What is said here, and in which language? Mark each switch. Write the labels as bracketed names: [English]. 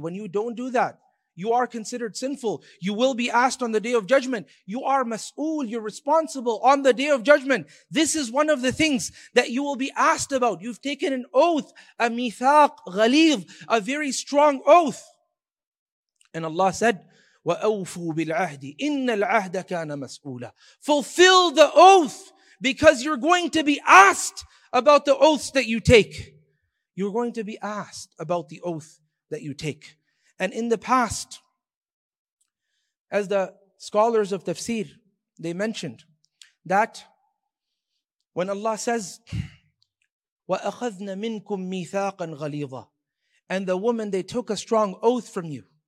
[English] When you don't do that, you are considered sinful. You will be asked on the day of judgment. You are mas'ool. You're responsible on the day of judgment. This is one of the things that you will be asked about. You've taken an oath, a mithaq, ghaleez, a very strong oath. And Allah said, [Arabic] وَأَوْفُوا بِالْعَهْدِ إِنَّ الْعَهْدَ كَانَ مَسْئُولًا. [English] Fulfill the oath, because you're going to be asked about the oaths that you take. You're going to be asked about the oath that you take. And in the past, as the scholars of tafsir, they mentioned that when Allah says, [Arabic] وَأَخَذْنَا مِنْكُمْ مِيثَاقًا غَلِيظًا, [English] and the woman, they took a strong oath from you.